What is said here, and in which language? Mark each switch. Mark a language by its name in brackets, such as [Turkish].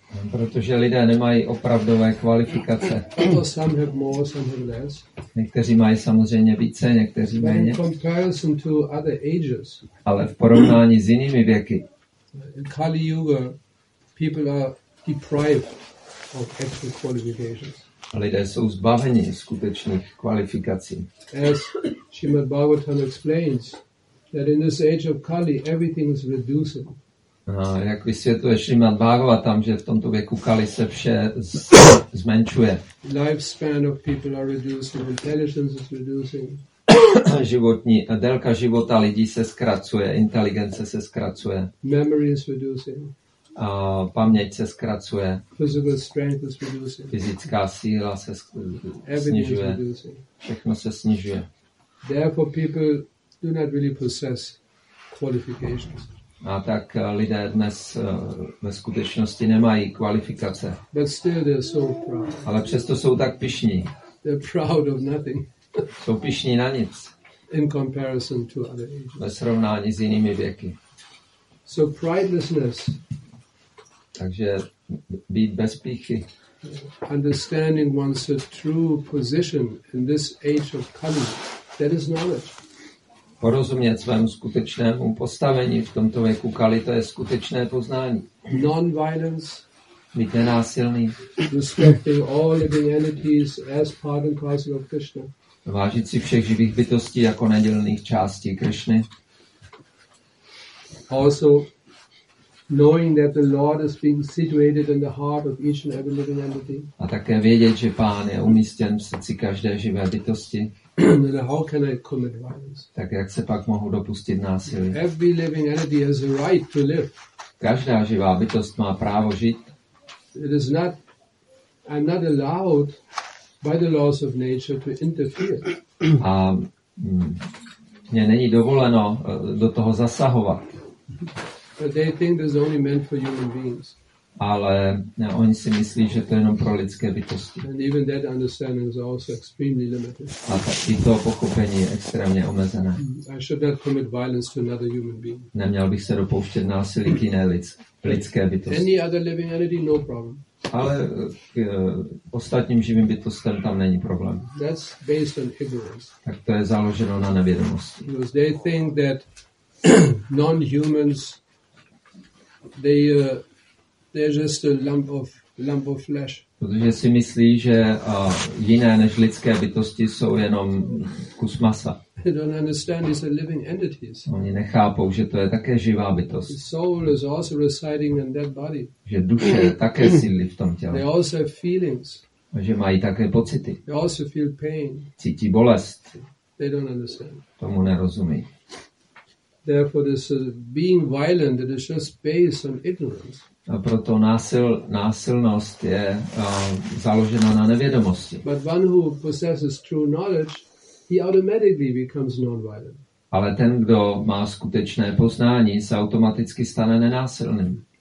[Czech] Protože lidé nemají opravdové kvalifikace. [English] Some have more, some have less. [Czech] Někteří mají samozřejmě více, někteří méně. [English] In comparison to other ages. [Czech] Ale v porovnání s jinými věky. [English] In Kali Yuga, people are deprived of actual qualifications. [Czech] Lidé jsou zbaveni skutečných kvalifikací. [English] As Srimad Bhagavatam explains, that in this age of Kali, everything is reduced. [Czech] A jak vysvětluje Srimad Bhagavatam, že v tomto věku Kali se vše zmenšuje. [English] Lifespan of people are reducing, intelligence is reducing. [Czech] Životní, délka života lidí se zkracuje, inteligence se zkracuje. [English] Memory is reducing. [Czech] A paměť se zkracuje. [English] Physical strength is reducing. [Czech] Fyzická síla se snižuje. Všechno se snižuje. [English] Therefore people do not really possess qualifications. [Czech] A tak lidé dnes ve skutečnosti nemají kvalifikace. [English] But still they're so proud. [Czech] Ale přesto jsou tak pyšní. [English] They're proud of nothing. [Czech] Jsou pyšní na nic. [English] In comparison to other ages. [Czech] Ve srovnání s jinými věky. [English] So pridelessness. [Czech] Takže být bez pýchy. [English] Understanding one's true position in this age of Kali, that is knowledge. [Czech] Porozumět svému skutečnému postavení v tomto věku Kali, to je skutečné poznání. [English] Non-violence. [Czech] Být nenásilný. [English] Respecting all living entities as part and parcel of Krishna. [Czech] Vážit si všech živých bytostí jako nedělných částí Krishny. [English] Also knowing that the Lord is being situated in the heart of each and every living entity. [Czech] A také vědět, že Pán je umístěn v srdci každé živé bytosti. [English] How can I commit violence? [Czech] Tak jak se pak mohu dopustit násilí? [English] Every living entity has a right to live. [Czech] Každá živá bytost má právo žít. [English] It is not, I'm not allowed by the laws of nature to interfere. [Czech] A mně není dovoleno do toho zasahovat. [English] But they think it's only meant for human beings. [Czech] Ale ne, oni si myslí, že to je jenom pro lidské bytosti. [English] And even that understanding is also extremely limited. [Czech] A i to pochopení je extrémně omezené. [English] I should not commit violence to another human being. [Czech] Neměl bych se dopouštět násilí k jiné lidské bytosti. [English] Any other living entity, no problem. [Czech] Ale k ostatním živým bytostem tam není problém. [English] That's based on ignorance. [Czech] Tak to je založeno na nevědomosti. [English] Because they think that non-humans, they're just a lump of flesh. [Czech] Protože si myslí, že jiné než lidské bytosti jsou jenom kus masa. [English] They don't understand these are living entities. [Czech] Oni nechápou, že to je také živá bytost. [English] The soul is also residing in that body. [Czech] Že duše také sídlí v tom těle. [English] They also have feelings. [Czech] A že mají také pocity. [English] They also feel pain. [Czech] Cítí bolest. [English] They don't understand. [Czech] Tomu nerozumí. [English] Therefore, this being violent, it is just based on ignorance. [Czech] A proto násilnost je založena na nevědomosti. [English] But one who possesses true knowledge, he automatically becomes non-violent. [Czech] Ale ten, kdo má skutečné poznání, se automaticky stane nenásilným.